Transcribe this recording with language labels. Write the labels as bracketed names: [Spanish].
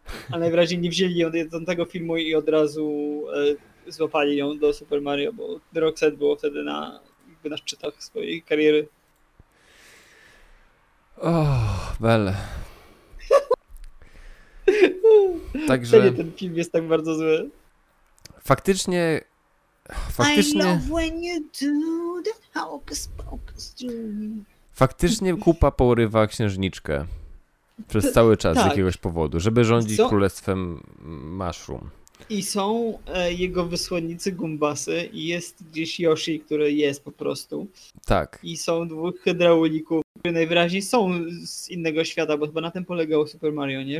[Polish] A najwyraźniej nie wzięli ją do tego filmu i od razu złapali ją do Super Mario, bo Roxette było wtedy na szczytach swojej kariery. [English] Oh, Belle. [Polish] Także wtedy ten film jest tak bardzo zły. Faktycznie. [English] I love when you do that hocus pocus to me. [Polish] Faktycznie kupa porywa księżniczkę przez cały czas, tak, z jakiegoś powodu, żeby rządzić królestwem Mushroom. I są jego wysłannicy Gumbasy i jest gdzieś Yoshi, który jest po prostu. Tak. I są dwóch hydraulików, które najwyraźniej są z innego świata, bo chyba na tym polegało Super Mario, nie?